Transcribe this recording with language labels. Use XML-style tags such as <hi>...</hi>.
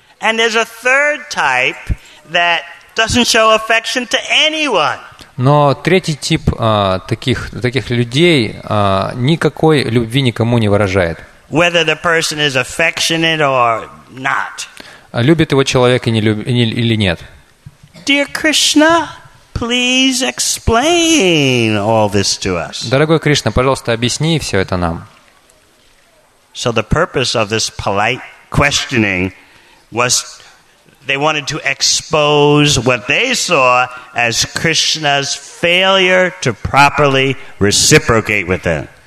<en>And there's a third type that doesn't show affection to anyone.</en> <ru>Но третий тип таких людей никакой любви никому не выражает.</ru> <en>Whether the person is affectionate or not.</en> <ru>Любит его человек или нет.</ru> <en>Dear Krishna, please explain all this to us.</en> <ru>Дорогой Кришна, пожалуйста, объясни все это нам.</ru> <en>So the purpose of this polite questioning was they wanted to expose what they saw as Krishna's failure to properly reciprocate with them.</en>